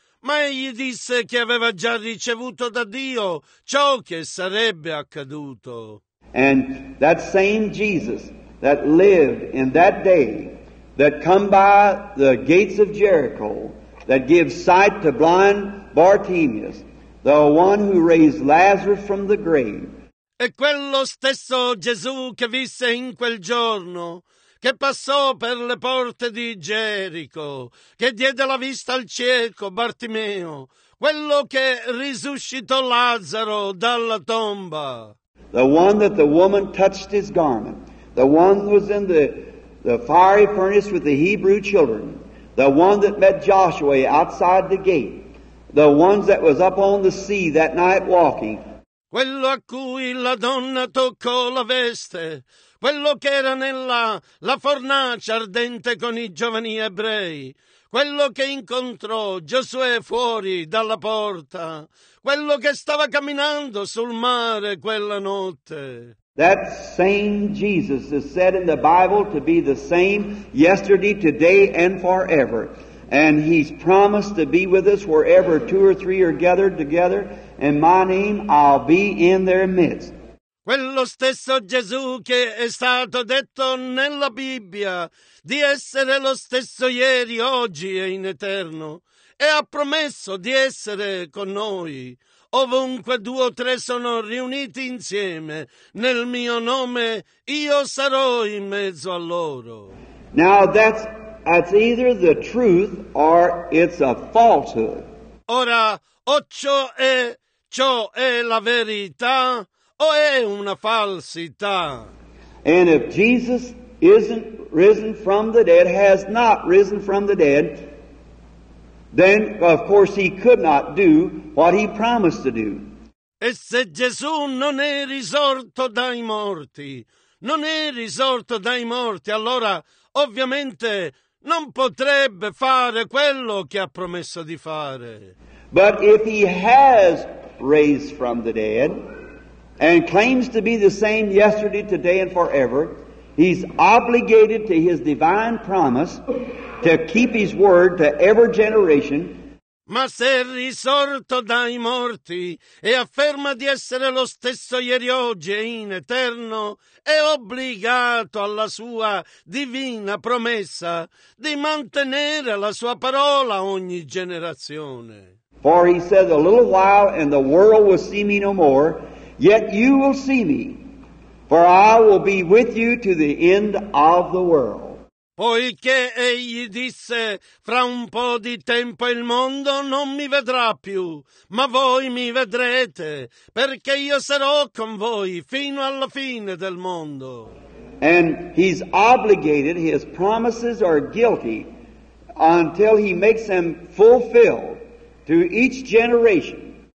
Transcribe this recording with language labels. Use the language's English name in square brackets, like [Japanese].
[Italian] Ma egli disse che aveva già ricevuto da Dio ciò che sarebbe accaduto. [English] And that same Jesus that lived in that day that come by the gates of Jericho that gives sight to blind Bartimaeus, the one who raised Lazarus from the grave. [Italian] E quello stesso Gesù che visse in quel giorno, che passò per le porte di Gerico, che diede la vista al cieco Bartimeo, quello che risuscitò Lazzaro dalla tomba. [English] The one that the woman touched his garment, the one who was in the fiery furnace with the Hebrew children, the one that met Joshua outside the gate, the ones that was up on the sea that night walking. [Italian] quello a cui la donna toccò la veste, quello che era nella la fornace ardente con i giovani ebrei, quello che incontrò Giosuè fuori dalla porta, quello che stava camminando sul mare quella notte. [English] That same Jesus is said in the Bible to be the same yesterday, today, and forever. And he's promised to be with us wherever two or three are gathered together. In my name, I'll be in their midst. [Italian] Quello stesso Gesù che è stato detto nella Bibbia di essere lo stesso ieri, oggi e in eterno, e ha promesso di essere con noi. Ovunque due o tre sono riuniti insieme, nel mio nome io sarò in mezzo a loro. [English] Now that's either the truth or it's a falsehood. [Italian] Ora, o ciò è la verità o è una falsità. [English] And if Jesus isn't risen from the dead, has not risen from the dead, then, of course, he could not do what he promised to do. [Italian] E se Gesù non è risorto dai morti, non è risorto dai morti, allora, ovviamente, non potrebbe fare quello che ha promesso di fare. [English] But if he has raised from the dead and claims to be the same yesterday, today, and forever, he's obligated to his divine promise to keep his word to every generation. [Italian] Ma se è risorto dai morti e afferma di essere lo stesso ieri, oggi e in eterno, è obbligato alla sua divina promessa di mantenere la sua parola ogni generazione. [English] For he said, a little while and the world will see me no more, yet you will see me. For I will be with you to the end of the world. [Italian] Poiché egli disse, fra un po' di tempo il mondo non mi vedrà più, ma voi mi vedrete, perché io sarò con voi fino alla fine del mondo. [English] And he's obligated, his promises are guilty, until he makes them fulfilled to each generation.